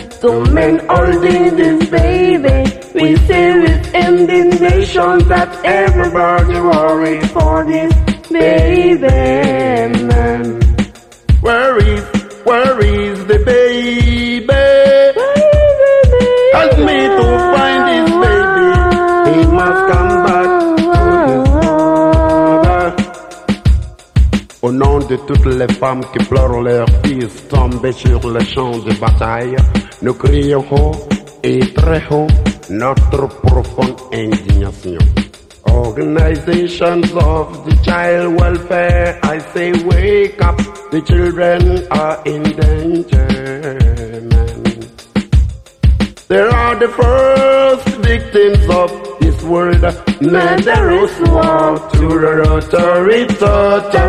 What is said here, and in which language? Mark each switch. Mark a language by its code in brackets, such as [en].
[en] The men holding this baby, we say with indignation that everybody worried for this baby man. Where is the baby? Help me to find his baby. He must come back to his mother. [fr] Au nom de toutes les femmes qui pleurent leurs fils tombés sur le champ de bataille, nous crions haut et très haut notre profonde indignation. [en] Organizations of the child welfare, I say wake up, the children are in danger. They are the first victims of this world.